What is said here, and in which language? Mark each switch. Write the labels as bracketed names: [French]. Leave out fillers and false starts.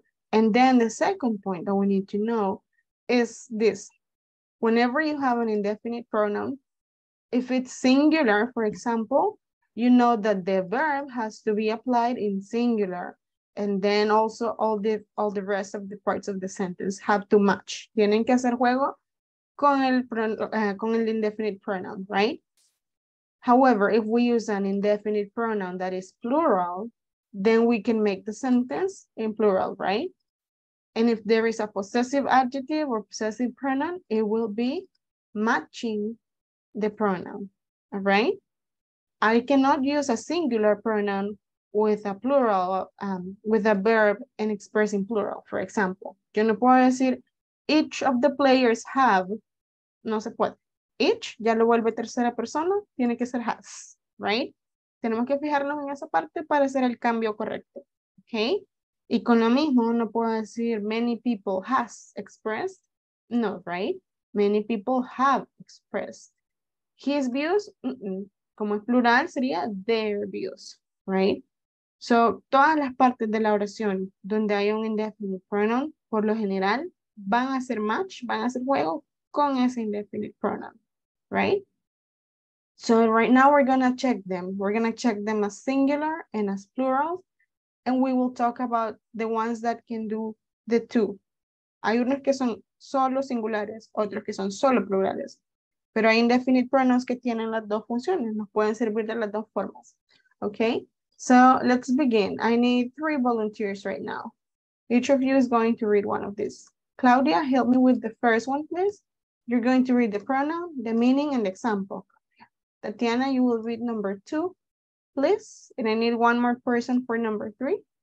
[English] And then the second point that we need to know is this. Whenever you have an indefinite pronoun, if it's singular, for example, you know that the verb has to be applied in singular. And then also all the rest of the parts of the sentence have to match. [Spanish] Tienen que hacer juego con el indefinite pronoun, right? [English] However, if we use an indefinite pronoun that is plural, then we can make the sentence in plural, right? And if there is a possessive adjective or possessive pronoun, it will be matching the pronoun, all right? I cannot use a singular pronoun with a plural, with a verb and expressing plural, for example. [Spanish] Yo no puedo decir, [English] each of the players have, [Spanish] no se puede. Each, ya lo vuelve tercera persona, tiene que ser has, right? Tenemos que fijarnos en esa parte para hacer el cambio correcto, okay? Y con lo mismo, no puedo decir [English] many people has expressed, [Spanish] no, right? [English] Many people have expressed. His views, [Spanish] como es plural, sería [English] their views, right? [Spanish] So, todas las partes de la oración donde hay un indefinite pronoun, por lo general, van a hacer match, van a hacer juego con ese indefinite pronoun, right? [English] So right now we're gonna check them. We're gonna check them as singular and as plural, and we will talk about the ones that can do the two. [Spanish] Hay unos que son solo singulares, otros que son solo plurales. Pero hay indefinite pronouns que tienen las dos funciones, nos pueden servir de las dos formas, okay? [English] So let's begin. I need three volunteers right now. Each of you is going to read one of these. Claudia, help me with the first one, please. You're going to read the pronoun, the meaning, and the example. Tatiana, you will read number two, please. And I need one more person for number three.